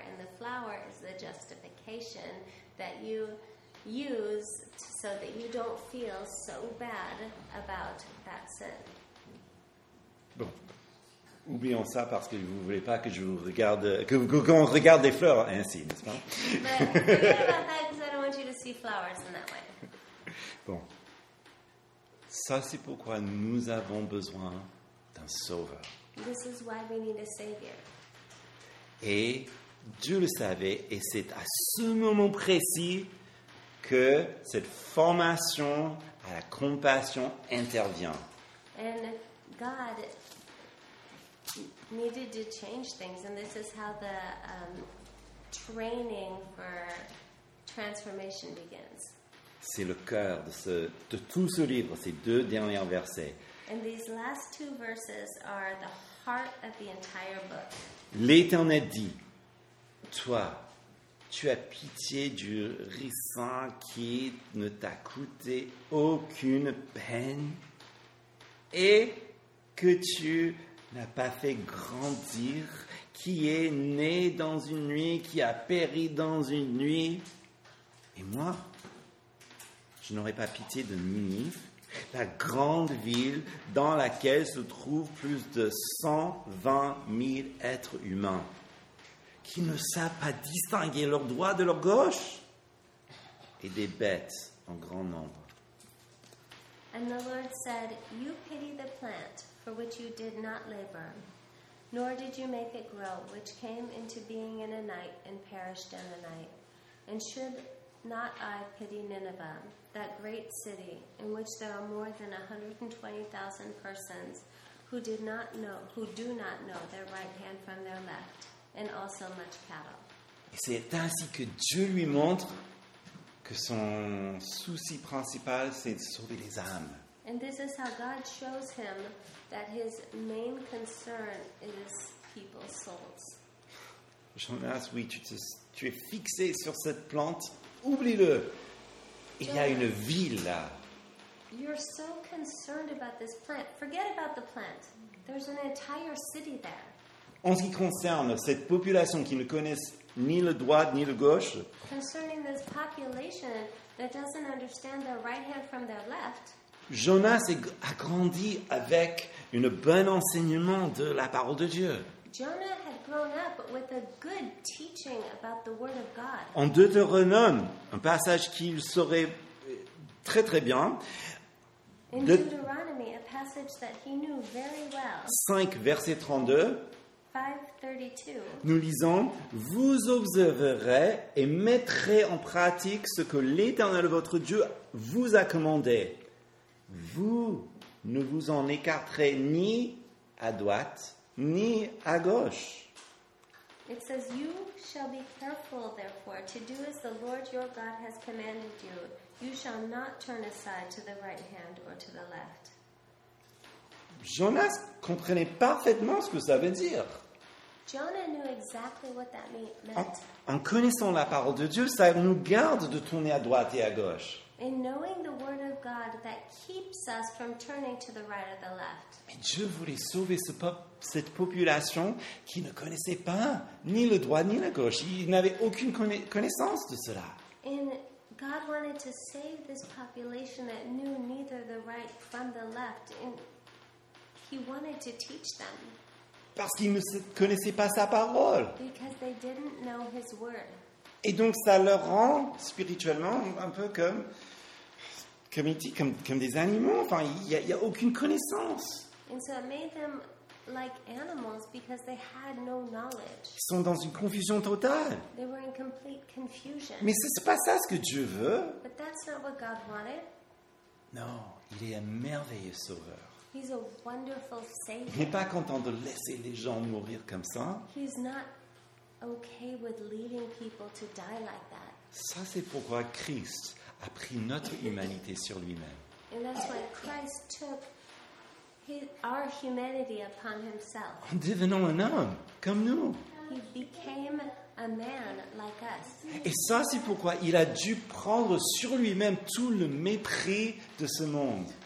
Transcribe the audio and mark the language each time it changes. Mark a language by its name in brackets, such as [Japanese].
[English] And the flower is the justification that you use so that you don't feel so bad about that sin. [French] Bon, oublions ça parce que vous voulez pas que je vous regarde, qu'on regarde des fleurs ainsi, n'est-ce pas? [English] But forget about that because I don't want you to see flowers in that way. [French] Bon, ça c'est pourquoi nous avons besoin d'un sauveur. [English] This is why we need a savior. [French] Et Dieu le savait, et c'est à ce moment précis que cette formation à la compassion intervient. [English] And God needed to change things, and this is how the training for transformation begins. [French] C'est le cœur de tout ce livre, ces deux derniers versets. [English] And these last two verses are the heart of the entire book. [French] L'Éternel dit, toi, tu as pitié du ricin qui ne t'a coûté aucune peine et que tu n'as pas fait grandir, qui est né dans une nuit, qui a péri dans une nuit. Et moi, je n'aurais pas pitié de Ninive, la grande ville dans laquelle se trouvent plus de 120 000 êtres humains, qui ne savent pas distinguer leur droit de leur gauche, et des bêtes en grand nombre. [English] And the Lord said, you pity the plant for which you did not labor, nor did you make it grow, which came into being in a night and perished in a night. And should not I pity Nineveh, that great city, in which there are more than 120,000 persons who do not know their right hand from their left, and also much cattle? [French] Et c'est ainsi que Dieu lui montre que son souci principal, c'est de sauver les âmes. [English] And this is how God shows him that his main concern is people's souls. [French] Jonas, oui, tu es fixé sur cette plante, oublie-le. Il y a une ville là. [English] You're so concerned about this plant. Forget about the plant. There's an entire city there. [French] En ce qui concerne cette population qui ne connaissent ni le droit ni le gauche. [English] Concerning this population that doesn't understand their right hand from their left. [French] Jonas a grandi avec un bon enseignement de la parole de Dieu. [English] Jonah had grown up with a good teaching about the word of God. [French] En Deutéronome, un passage qu'il saurait très très bien. [English] In Deuteronomy, a passage that he knew very well. [French] 5 verset 32. [English] 5:32. [French] Nous lisons, vous observerez et mettrez en pratique ce que l'Éternel votre Dieu vous a commandé. Vous ne vous en écarterez ni à droite ni à gauche. [English] It says, you shall be careful, therefore, to do as the Lord your God has commanded you. You shall not turn aside to the right hand or to the left. [French] Jonas comprenait parfaitement ce que ça veut dire. [English] Jonah knew exactly what that meant. [French] En connaissant la parole de Dieu, ça nous garde de tourner à droite et à gauche. [English] In knowing the word of God, that keeps us from turning to the right or the left. [French] Mais Dieu voulait sauver cette population qui ne connaissait pas ni le droit ni la gauche. Il n'avait aucune connaissance de cela. [English] And God wanted to save this population that knew neither the right from the left. And he wanted to teach them. [French] Parce qu'ils ne connaissaient pas sa parole. [English] Because they didn't know his word. [French] Et donc, ça leur rend spirituellement un peu comme des animaux. Enfin, il n'y a aucune connaissance. [English] And so it made them like animals because they had no knowledge. [French] Ils sont dans une confusion totale. [English] They were in complete confusion. [French] Mais ce n'est pas ça ce que Dieu veut. [English] But that's not what God wanted. [French] Non, il est un merveilleux sauveur. [English] He's a wonderful savior. [French] Il n'est pas content de laisser les gens mourir comme ça. [English] He's not okay with leading people to die like that. [French] Ça, c'est pourquoi Christ a pris notre humanité sur lui-même. [English] And that's why Christ took our humanity upon himself. [French] En devenant un homme, comme nous. [English] He became a man like us. [French] Et ça, c'est pourquoi il a dû prendre sur lui-même tout le mépris de ce monde.